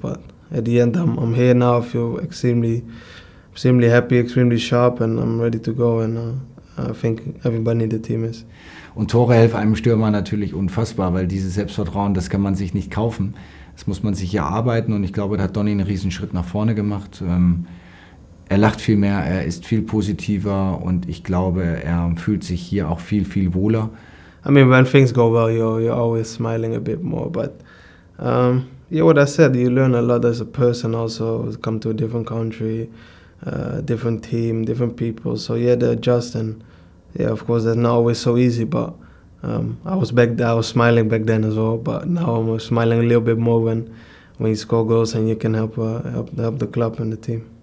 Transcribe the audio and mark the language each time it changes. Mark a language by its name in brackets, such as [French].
[English] But at the end, I'm here now. I feel extremely happy, extremely sharp, and I'm ready to go. And I think everybody in the team is. [German] Und Tore helfen einem Stürmer natürlich unfassbar, weil dieses Selbstvertrauen, das kann man sich nicht kaufen. Das muss man sich erarbeiten. Und ich glaube, da hat Donny einen riesen Schritt nach vorne gemacht. Er lacht viel mehr, er ist viel positiver und ich glaube, er fühlt sich hier auch viel, viel wohler. [English] I mean, when things go well, you're always smiling a bit more, but yeah, what I said, you learn a lot as a person also, come to a different country, different team, different people, so yeah, they adjust and yeah, of course, that's not always so easy, but I was smiling back then as well, but now I'm smiling a little bit more when you score goals and you can help the club and the team.